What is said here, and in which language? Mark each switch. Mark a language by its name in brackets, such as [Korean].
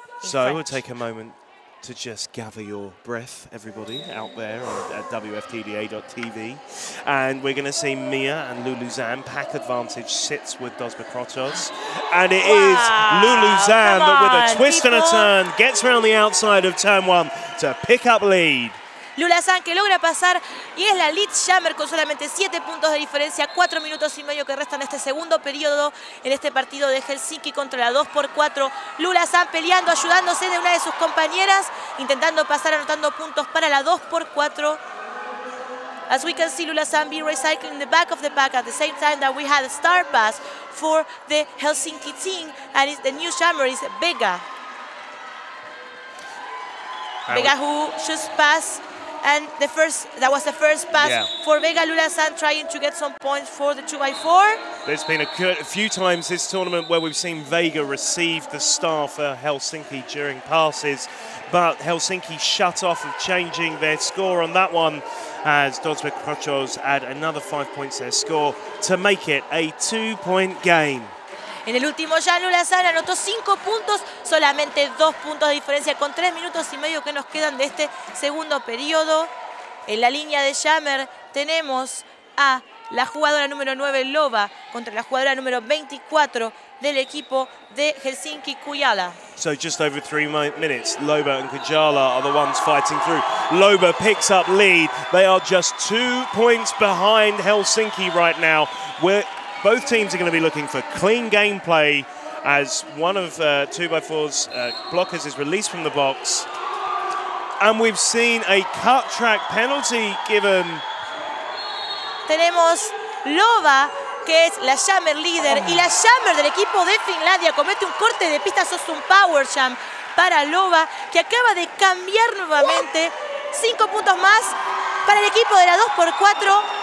[English] So we'll take a moment to just gather your breath, everybody out there at WFTDA.tv. And we're going to see Mia and Lulu Zan. Pack advantage sits with Dosba Krotos. And it is Lulu Zan that, with a twist and a turn, gets around the outside of turn one to pick up lead. [Spanish] Lula San, que logra pasar y es la lead jammer con solamente 7 puntos de diferencia, 4 minutos y medio que restan este segundo periodo en este partido de Helsinki contra la 2x4. Lula San peleando, ayudándose de una de sus compañeras, intentando pasar, anotando puntos para la 2x4. [English] As we can see, Lula San being recycling in the back of the pack at the same time that we had a star pass for the Helsinki team, and the new jammer is Vega. Vega, who just passed. And that was the first pass for Vega. Lula San trying to get some points for the 2x4. There's been a few times this tournament where we've seen Vega receive the star for Helsinki during passes, but Helsinki shut off of changing their score on that one as Dosba Krotos add another 5 points to their score to make it a 2-point game. [Spanish] En el último ya, Lula San anotó 5 puntos, solamente 2 puntos de diferencia con 3 minutos y medio que nos quedan de este segundo periodo. En la línea de jammer tenemos a la jugadora número 9, Loba, contra la jugadora número 24 del equipo de Helsinki, Kujala. [English] So just over 3 minutes, Loba and Kujala are the ones fighting through. Loba picks up lead. They are just 2 points behind Helsinki right now. Both teams are going to be looking for clean gameplay as one of 2x4's blockers is released from the box. And we've seen a cut track penalty given. [Spanish] Tenemos Loba, que es la jammer líder, y la jammer del equipo de Finlandia comete un corte de pista, sos un power jam para Loba, que acaba de cambiar nuevamente. 5 puntos más para el equipo de la 2x4.